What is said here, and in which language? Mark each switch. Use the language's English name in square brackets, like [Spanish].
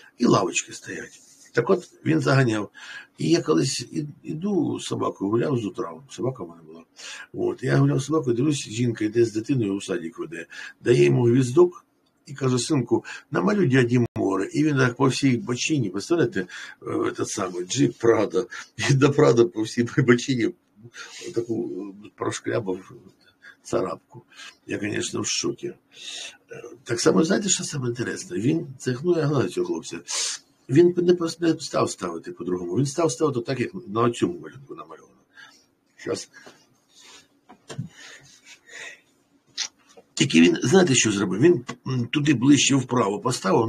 [Ukrainian] І лавочки стоять. Так от, він заганяв. І я колись іду з собакою, гуляв з утра. Собака в мене була. От. Я гуляв з собакою, дивлюсь, жінка йде з дитиною у садик веде. Дає йому гвіздок. І каже, синку, намалюй дяді море. [Russian] именно по всей бочине. Представляете, этот самый джип Прада, и до Прада по всей бочине вот такую прошкрябав царапку. Я, конечно, в шоке. [Ukrainian] Так само, знаете, що саме інтересне? Він цехнув, я гладив цього хлопця. Він не став ставити по-другому. Він став ставити так, як на цьому малюнку намальовано. Щас. Тільки він, знаєте, що зробив? Він туди ближче вправо поставив.